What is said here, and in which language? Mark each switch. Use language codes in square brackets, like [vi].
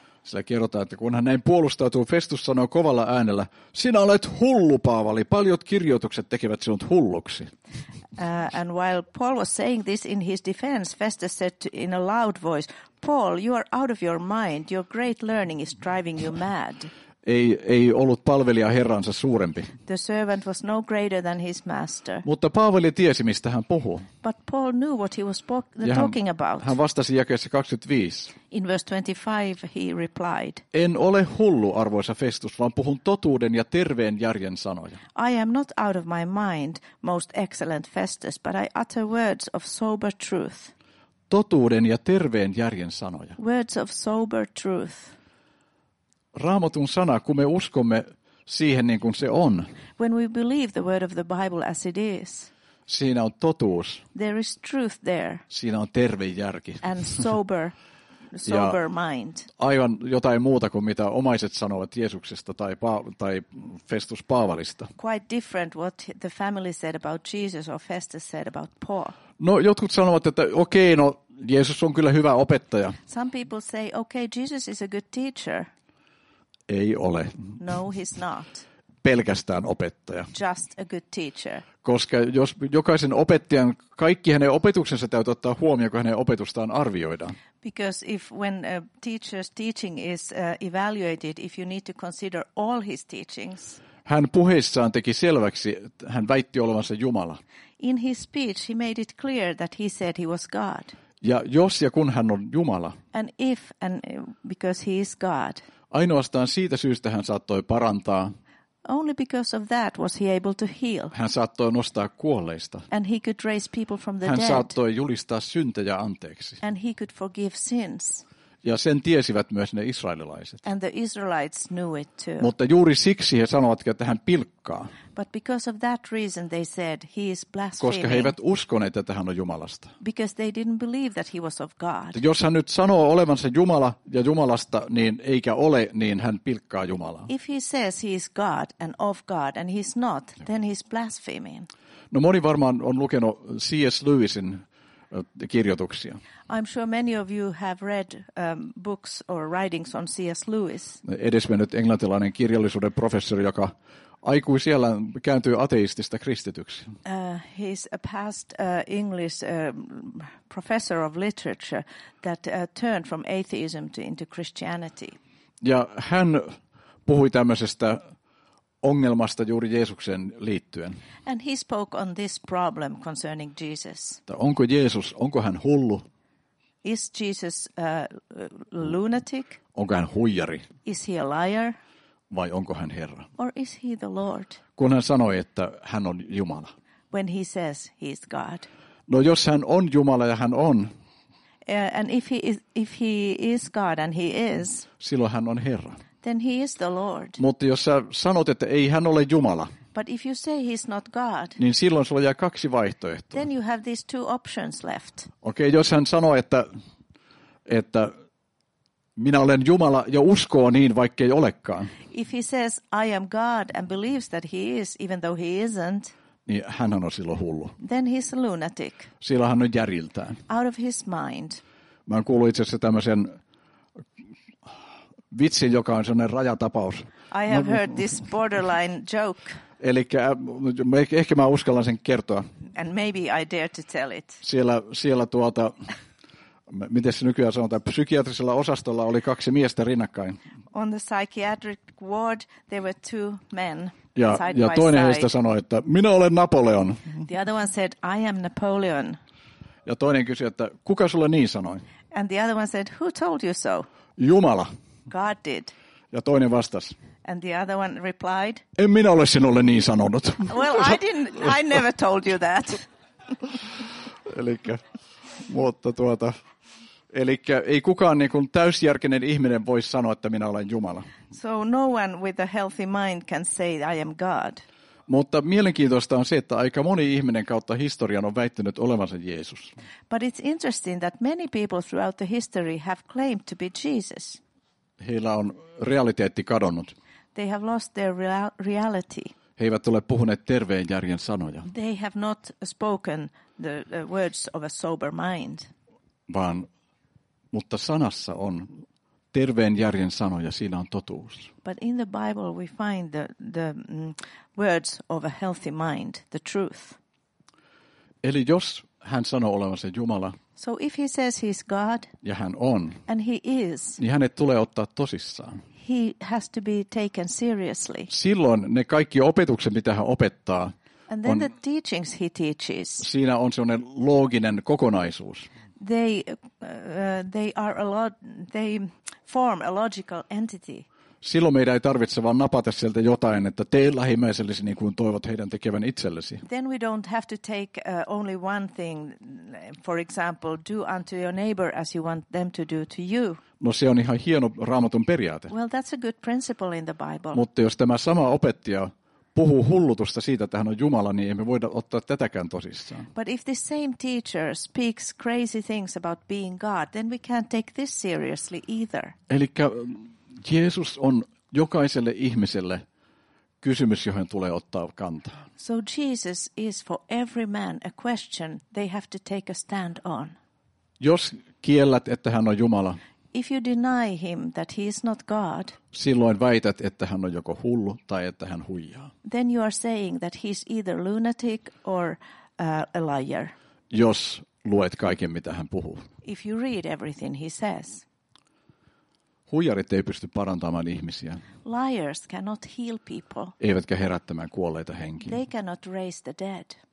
[fi] Sillä kerrotaan, että kun hän näin puolustautuu, Festus sanoi kovalla äänellä, sinä olet hullu, Paavali, paljot kirjoitukset tekevät sinut hulluksi. [en] And while Paul was saying this in his defense, Festus said in a loud voice, Paul, you are out of your mind. Your great learning is driving you mad. [fi] Ei ollut palvelija herransa suurempi. [en] The servant was no greater than his master. [fi] Mutta Paavali tiesi, mistä hän puhuu. [en] But Paul knew what he was talking about. [fi] Hän vastasi jakeessa 25. [en] In verse 25 he replied. [fi] En ole hullu, arvoisa Festus, vaan puhun totuuden ja terveen järjen sanoja. [en] I am not out of my mind, most excellent Festus, but I utter words of sober truth. [fi] Totuuden ja terveen järjen sanoja. [en] Words of sober truth. [fi] Raamatun sana, kun me uskomme siihen niin kuin se on. [en] When we believe the word of the Bible as it is. [fi] Siinä on totuus. [en] There is truth there. [fi] Siinä on terve järki. [en] And sober mind. [fi] Aivan jotain muuta kuin mitä omaiset sanovat Jeesuksesta tai Festus Paavalista. [en] Quite different what the family said about Jesus or Festus said about Paul. [fi] No, jotkut sanovat, että okei, no Jeesus on kyllä hyvä opettaja. [en] Some people say, okay, Jesus is a good teacher. [fi] Ei ole. [en] No, he's not. [fi] Pelkästään opettaja. [en] Just a good teacher. [fi] Koska jos jokaisen opettajan, kaikki hänen opetuksensa täytyy ottaa huomioon, kun hänen opetustaan arvioidaan. [en] Because if when a teacher's teaching is evaluated, if you need to consider all his teachings. [fi] Hän puheissaan teki selväksi, hän väitti olevansa Jumala. [en] In his speech he made it clear that he said he was God. [fi] Ja jos ja kun hän on Jumala. [en] And if and because he is God. [fi] Ainoastaan siitä syystä hän saattoi parantaa. [en] Only because of that was he able to heal. [fi] Hän saattoi nostaa kuolleista. [en] And he could raise people from the [fi] hän [en] dead. [fi] Saattoi julistaa syntejä anteeksi. [en] And he could forgive sins. [fi] Ja sen tiesivät myös ne israelilaiset. [en] And the Israelites knew it too. [fi] Mutta juuri siksi he sanoivatkin, että hän pilkkaa. [en] But because of that reason they said he is blaspheming. [fi] Koska he eivät uskoneet, että hän on Jumalasta. [en] Because they didn't believe that he was of God. [fi] Jos hän nyt sanoo olevansa Jumala ja Jumalasta, niin eikä ole, niin hän pilkkaa Jumalaa. [en] If he says he is God and of God and he's not, then he's blaspheming. [fi] No moni varmaan on lukenut C.S. Lewisin kirjoituksia. [en] I'm sure many of you have read books or writings on C.S. Lewis. [fi] Edesmennyt englantilainen kirjallisuuden professori, joka aikuisiällä kääntyy ateistista kristityksi. [en] He's a past English professor of literature that turned from atheism into Christianity. [fi] Ja hän puhui tämmöisestä ongelmasta juuri Jeesukseen liittyen. [en] And he spoke on this problem concerning Jesus. [fi] Onko Jeesus, onko hän hullu? [en] Is Jesus a lunatic? [fi] Onko hän huijari? [en] Is he a liar? [fi] Vai onko hän Herra? [en] Or is he the Lord? [fi] Kun hän sanoi, että hän on Jumala. [en] When he says he is God. [fi] No jos hän on Jumala ja hän on. [en] And if he is God and he is. [fi] Silloin hän on Herra. [en] Then he is the Lord. [fi] Mutta jos sä sanot, että ei hän ole Jumala. [en] But if you say he's not God. [fi] Niin silloin sulla jää kaksi vaihtoehtoa. [en] Then you have these two options left. [fi] Okei, jos hän sanoo, että minä olen Jumala ja uskoo niin, vaikka ei olekaan. [en] If he says I am God and believes that he is, even though he isn't. [fi] Niin hän on silloin hullu. [en] Then he's a lunatic. [fi] Silloin hän on järjiltään. [en] Out of his mind. [fi] Mä oon kuullut itse asiassa tämmöisen vitsi, joka on sellainen rajatapaus. [en] I have heard this borderline joke. [fi] Elikkä, ehkä mä uskallan sen kertoa. [en] And maybe I dare to tell it. [fi] Siellä tuota, miten se nykyään sanotaan, psykiatrisella osastolla oli kaksi miestä rinnakkain. [en] On the psychiatric ward there were two men. [fi] Ja toinen heistä sanoi, että minä olen Napoleon. [en] The other one said, I am Napoleon. [fi] Ja toinen kysyi, että kuka sulle niin sanoi? [en] And the other one said, who told you so? [fi] Jumala. [en] God did. [fi] Ja toinen vastasi. [en] And the other one replied. [fi] En minä ole sinulle niin sanonut. [en] Well, I never told you that. [fi] Elikkä, mutta tuota, elikkä ei kukaan niin kuin täysjärkinen ihminen voi sanoa, että minä olen Jumala. [en] So no one with a healthy mind can say I am God. [fi] Mutta mielenkiintoista on se, että aika moni ihminen kautta historian on väittänyt olevansa Jeesus. [en] But it's interesting that many people throughout the history have claimed to be Jesus. [fi] Heillä on realiteetti kadonnut. [en] They have lost their reality. [fi] He eivät ole puhuneet terveen järjen sanoja. [en] They have not spoken the words of a sober mind. [fi] Vaan, mutta sanassa on terveen järjen sanoja, siinä on totuus. [en] But in the Bible we find the words of a healthy mind, the truth. [fi] Eli jos hän sanoo olevansa Jumala. [en] So if he says he's God. [fi] Ja hän on. [en] And he is. [fi] Niin hänet tulee ottaa tosissaan. [en] He has to be taken seriously. [fi] Silloin ne kaikki opetukset mitä hän opettaa. [en] And then on, the teachings he teaches. [fi] Siinä on sellainen looginen kokonaisuus. [en] They form a logical entity. [fi] Silloin meidän ei tarvitse vaan napata sieltä jotain, että tee lähimmäisellesi niin kuin toivot heidän tekevän itsellesi. [en] Then we don't have to take only one thing, for example, do unto your neighbor as you want them to do to you. [fi] No se on ihan hieno Raamatun periaate. [en] Well, that's a good principle in the Bible. [fi] Mutta jos tämä sama opettaja puhuu hullutusta siitä, että hän on Jumala, niin emme voida ottaa tätäkään tosissaan. [en] But if the same teacher speaks crazy things about being God, then we can't take this seriously either. [fi] Elikkä Jeesus on jokaiselle ihmiselle kysymys, johon tulee ottaa kantaa. [en] So Jesus is for every man a question they have to take a stand on. [fi] Jos kiellät, että hän on Jumala, [en] if you deny him that he is not God, [fi] silloin väität, että hän on joko hullu tai että hän huijaa. [en] Then you are saying that he is either lunatic or a liar. [fi] Jos luet kaiken, mitä hän puhuu. [en] If you read everything he says. [fi] Huijarit ei pysty parantamaan ihmisiä. [en] Liars cannot heal people. [fi] Eivätkä herättämään kuolleita henkiä. [en] They cannot raise the dead.